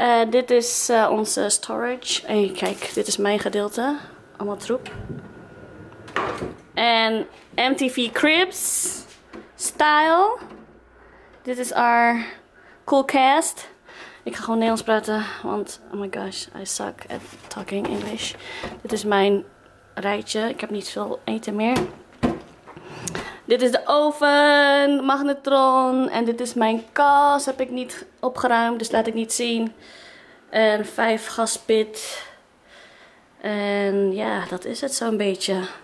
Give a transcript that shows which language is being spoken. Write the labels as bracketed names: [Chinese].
[Dutch] Dit is onze storage. En kijk, dit is mijn gedeelte. Allemaal troep. En MTV Cribs. Style. Dit is [English] our cool [Dutch] cast. Ik ga gewoon Nederlands praten. Want, [English] oh my gosh, I suck at talking English. [Dutch] Dit is mijn rijtje. Ik heb niet veel eten meer. Dit is de oven, magnetron. En dit is mijn kast. Heb ik niet opgeruimd, dus laat ik niet zien. En 5 gaspit. En ja, dat is het zo'n beetje.